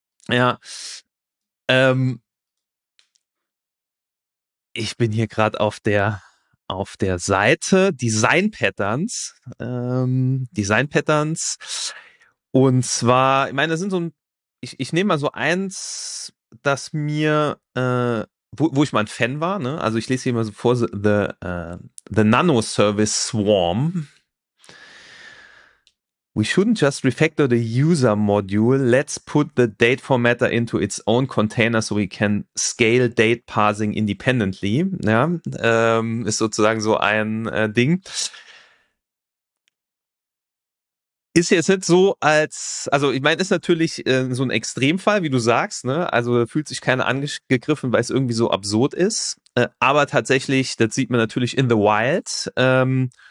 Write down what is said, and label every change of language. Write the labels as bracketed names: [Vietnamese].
[German] Ja, ich bin hier gerade auf der Seite Design Patterns und zwar, ich meine, das sind so ein, ich nehme mal so eins, das mir wo ich mal ein Fan war, ne, also ich lese hier mal so vor, the Nano Service Swarm. [English] We shouldn't just refactor the user module. Let's put the date formatter into its own container so we can scale date parsing independently. [German] Ja, ist sozusagen so ein Ding. Ist jetzt nicht so als, also ich meine, ist natürlich so ein Extremfall, wie du sagst, ne? Also fühlt sich keiner angegriffen, weil es irgendwie so absurd ist. Aber tatsächlich, das sieht man natürlich [English] in the wild.